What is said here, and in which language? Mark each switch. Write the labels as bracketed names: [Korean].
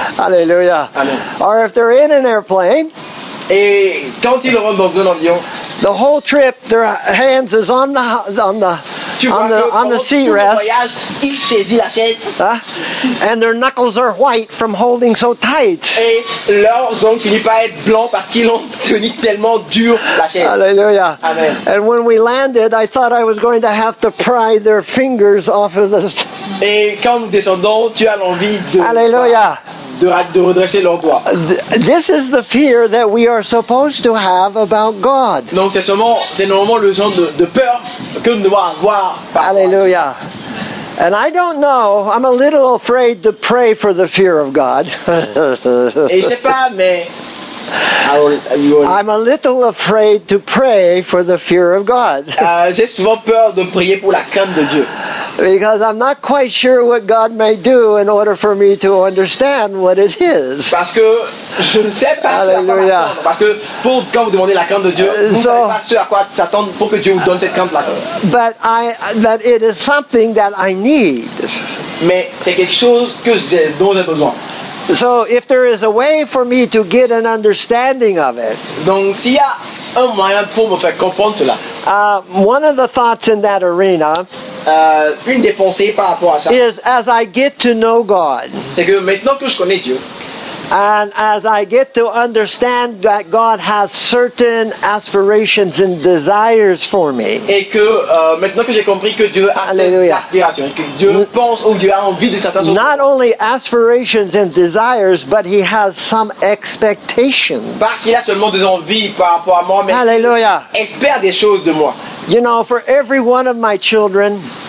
[English] Hallelujah. Amen. Or if they're in an airplane. [French] Et quand ils rentrent dans un avion. [English] The whole trip, their hands is on the seat rest. And their knuckles are white from holding so tight. [French] Et leurs ongles finissent par être blancs parce qu'ils ont tenu tellement dur la chaise. [English] Hallelujah. Amen. And when we landed, I thought I was going to have to pry their fingers off of the. [French] Et quand nous descendons, tu as l'envie de. [English] Hallelujah. [French] De redresser leurs doigts. [English] This is the fear that we are supposed to have about God. [French] Donc c'est normalement le genre de peur que nous devons avoir. [English] Hallelujah. And I don't know, I'm a little afraid to pray for the fear of God. [French] Et je sais pas, mais [English] I'm a little afraid to pray for the fear of God. [French] J'ai souvent peur de prier pour la crainte de Dieu. [English] Because I'm not quite sure what God may do in order for me to understand what it is. [French] Parce que je ne sais pas ce à quoi attendre. Parce que pour quand vous demandez la crainte de Dieu, vous ne savez pas ce à quoi s'attendre pour que Dieu vous donne cette crainte-là. [English] But it is something that I need. [French] Mais c'est quelque chose que dont j'ai besoin. [English] So if there is a way for me to get an understanding of it. [French] Donc s'il y a un moyen pour me faire comprendre cela. [English] One of the thoughts in that arena. [French] Une des pensées par rapport à ça. [English] Is as I get to know God. [French] C'est que maintenant que je connais Dieu. [English] And as I get to understand that God has certain aspirations and desires for me. [French] Et que maintenant que j'ai compris que Dieu a certaines aspirations, que Dieu pense ou Dieu a envie de certaines choses. [English] Not only aspirations and desires, but He has some expectations. [French] Parce qu'il a seulement des envies par rapport à moi, mais [English] Hallelujah. [French] Il espère des choses de moi. [English] You know, for every one of my children.